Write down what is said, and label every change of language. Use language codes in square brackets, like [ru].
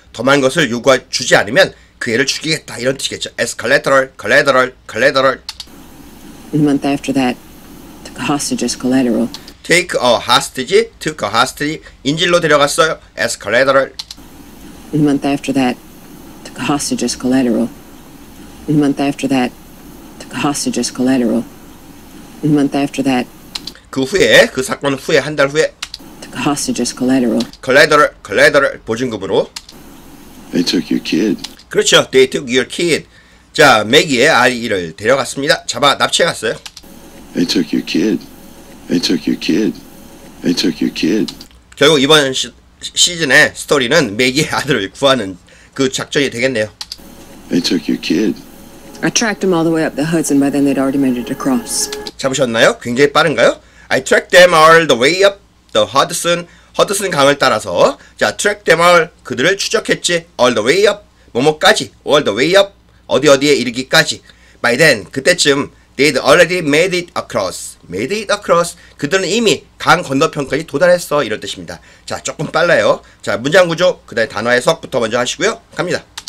[ko] 더 많은 것을 요구해주지 않으면 그 애를 죽이겠다 이런 뜻이겠죠. [en] As collateral, collateral, collateral. A month after that, took a hostage as collateral. Take a hostage, took a hostage, [ko] 인질로 데려갔어요. [en] As collateral. A month after that, took a hostage as collateral. A month after that, took a hostage as collateral. A month after that. [ko] 그 후에, 그 사건 후에, 한 달 후에. [en] Hostages collateral. Collateral, collateral, 보증금으로. They took your kid. [ko] 그렇죠. [en] They took your kid. [ko] 자, 매기의 아이를 데려갔습니다. 잡아 납치해갔어요. [en] They took your kid. They took your kid. They took your kid. [ko] 결국 이번 시즌의 스토리는 매기의 아들을 구하는 그 작전이 되겠네요. [en] They took your kid. I tracked them all the way up the Hudson. By then, they'd already made it across. [ko] 잡으셨나요? 굉장히 빠른가요? [en] I tracked them all the way up the Hudson. [ko] 허드슨 강을 따라서 자 [en] track them all [ko] 그들을 추적했지 [en] all the way up [ko] 뭐뭐까지 all the way up 어디 어디에 이르기까지 [en] by then [ko] 그때쯤 [en] they'd already made it across [ko] made it across 그들은 이미 강 건너편까지 도달했어 이런 뜻입니다 자 조금 빨라요 자 문장 구조 그다음 단어 해석부터 먼저 하시고요 갑니다